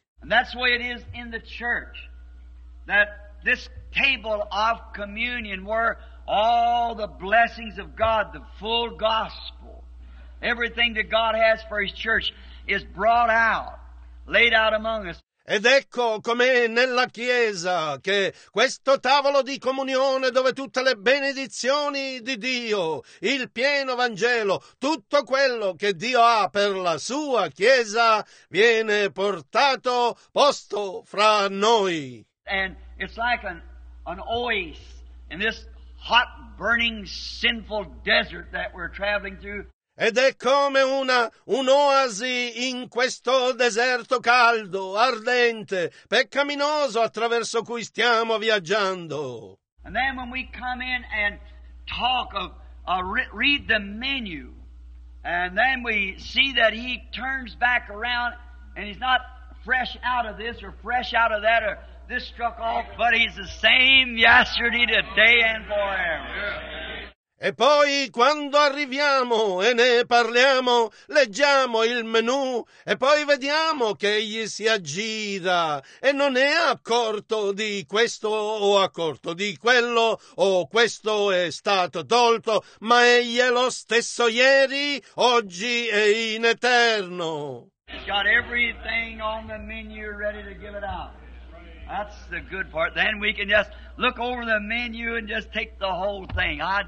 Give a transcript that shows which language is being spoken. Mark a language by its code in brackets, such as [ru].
[en] And that's why it is in the church that this table of communion where all the blessings of God, the full gospel, everything that God has for his church is brought out, laid out among us. [it] Ed ecco com'è nella Chiesa che questo tavolo di comunione dove tutte le benedizioni di Dio, il pieno Vangelo, tutto quello che Dio ha per la sua Chiesa viene portato, posto fra noi. [en] And it's like an oasis in this hot, burning, sinful desert that we're traveling through. [it] Ed è come un'oasi in questo deserto caldo, ardente, peccaminoso attraverso cui stiamo viaggiando. [en] And then when we come in and talk of read the menu, and then we see that he turns back around and he's not fresh out of this or fresh out of that or this struck off, but he's the same yesterday, today, and forever. [it] E poi quando arriviamo e ne parliamo, leggiamo il menù e poi vediamo che egli si aggira e non è accorto di questo o accorto di quello o questo è stato tolto, ma egli è lo stesso ieri, oggi e in eterno. [en] He's got everything on the menu ready to give it out. That's the good part. Then we can just look over the menu and just take the whole thing.